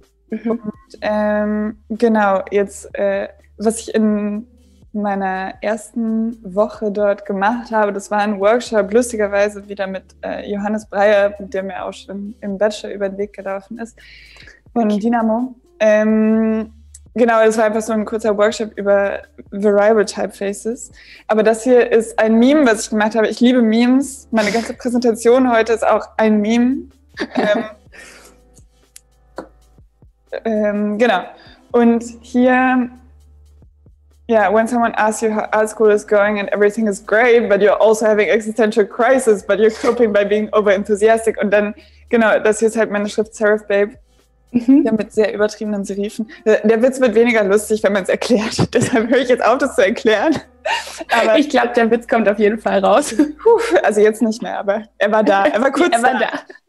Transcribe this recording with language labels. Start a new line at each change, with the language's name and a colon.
German: Und genau, jetzt, was ich in meiner ersten Woche dort gemacht habe, das war ein Workshop, lustigerweise wieder mit Johannes Breyer, mit dem er auch schon im Bachelor über den Weg gelaufen ist, von Dynamo. Genau, es war einfach so ein kurzer Workshop über Variable Typefaces. Aber das hier ist ein Meme, was ich gemacht habe. Ich liebe Memes. Meine ganze Präsentation heute ist auch ein Meme. Genau. Und hier, ja,
English: yeah, when someone asks you how art school is going and everything is great, but you're also having existential crisis, but you're coping by being overenthusiastic.
German: Und dann, genau, das hier ist halt meine Schrift Serif Babe. Ja, mit sehr übertriebenen Serifen. Der Witz wird weniger lustig, wenn man es erklärt. Deshalb höre ich jetzt auf, das zu erklären. Aber Ich glaube, der Witz kommt auf jeden Fall raus. also jetzt nicht mehr, aber er war da. Er war kurz Er war da. da.